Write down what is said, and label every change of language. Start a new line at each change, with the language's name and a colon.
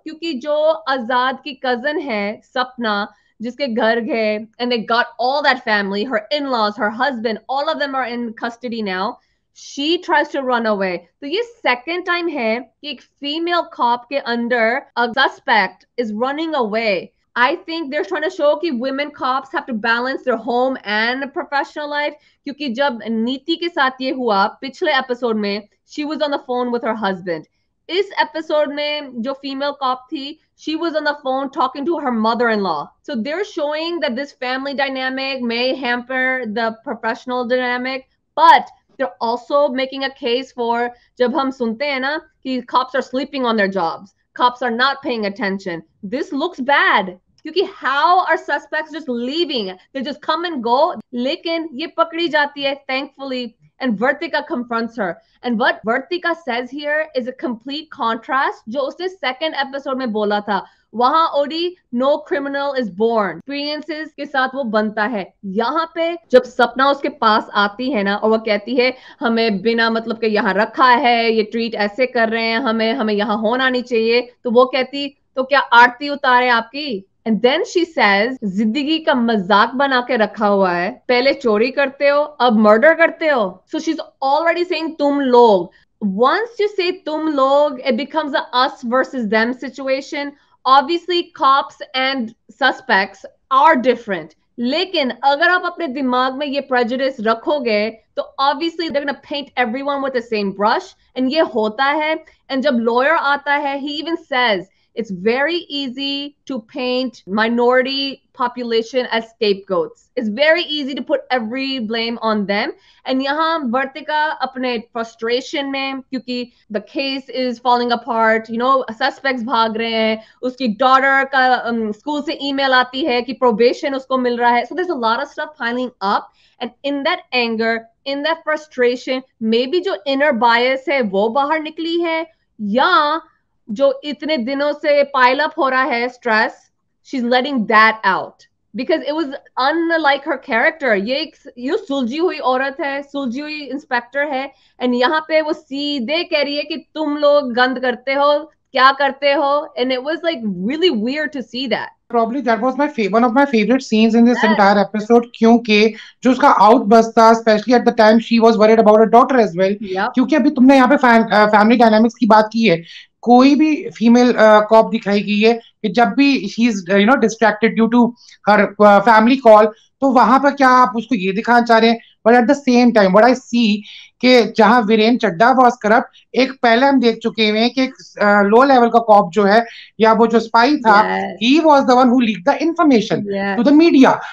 Hindi: क्योंकि जो आजाद की कजन है सपना, जिसके घर गए
English: And they got all that family, her in-laws, her husband, all of them are in custody now, she tries to run away. तो ये second time है कि एक female cop के under a suspect is running away. I think they're trying to show that women cops have to balance their home and professional life. Because when Neeti
Hindi: ke saath ye hua, pichle episode mein,
English: she was on the phone with her husband. This episode mein,
Hindi: jo female cop thi,
English: she was on the phone talking to her mother-in-law. So they're showing that this family dynamic may hamper the professional dynamic, but they're also making a case for
Hindi: jab hum sunte hai na, ki
English: cops are sleeping on their jobs. Cops are not paying attention. This looks bad. क्योंकि how are suspects just leaving? They just come and go.
Hindi: लेकिन ये पकड़ी जाती है,
English: thankfully. And Vartika confronts her. And what Vartika says here is a complete contrast
Hindi: जो उसने second episode में बोला था.
English: वहाँ ओडी no criminal is born.
Hindi: Experiences के साथ वो बनता है. यहाँ पे जब सपना उसके पास आती है ना और वो कहती है हमें बिना मतलब के यहाँ रखा है, ये treat ऐसे कर रहे हैं हमें, हमें यहाँ होना नहीं चाहिए. तो वो कहती तो क्या आरती उतारे आपकी.
English: And then she says,
Hindi: जिंदगी का मजाक बना के रखा हुआ है, पहले चोरी करते हो अब मर्डर करते हो.
English: So she's already saying
Hindi: तुम लोग.
English: Once you say तुम लोग, it becomes a us versus them situation. Obviously cops and suspects are different.
Hindi: लेकिन अगर आप अपने दिमाग में ये प्रेजुडिस रखोगे तो obviously
English: they're gonna paint everyone with the same brush.
Hindi: And ये होता है.
English: And
Hindi: जब lawyer आता है,
English: he even says it's very easy to paint minority population as scapegoats. It's very easy to put every blame on them. And
Hindi: yahan Vartika apne frustration mein, kyunki
English: the case is falling apart, you know,
Hindi: suspects bhag rahe hain,
English: uski daughter ka school se email aati hai ki probation usko mil raha hai. So there's a lot of stuff piling up. And in that anger, in that frustration, maybe
Hindi: jo inner bias hai, wo bahar nikli hai, ya जो इतने दिनों से pile up हो रहा है
English: Stress, she is letting that out because it was unlike her character.
Hindi: ये एक you सुलझी हुई औरत है, सुलझी हुई इंस्पेक्टर है. एंड यहाँ पे वो सीधे कह रही है कि तुम लोग गंद करते हो, क्या करते हो.
English: And it was like really weird to see that. Probably that was my favorite, one of my favorite scenes in this entire episode.
Hindi: क्योंकि जो उसका outburst था,
English: especially at the time she was worried about her daughter as well.
Hindi: क्योंकि अभी तुमने यहाँ पे family dynamics की बात की है. कोई भी female cop दिखाई गई है कि जब भी
English: she is you know distracted due to her family call,
Hindi: तो वहाँ पर क्या आप उसको ये दिखाना चाह रहे हैं.
English: But at the same time, what I see
Hindi: कि जहाँ वीरेन चड्डा
English: was corrupt,
Hindi: एक पहले हम देख चुके हैं कि एक low level का cop जो है या वो जो spy था,
English: he was the one who leaked the information to the media.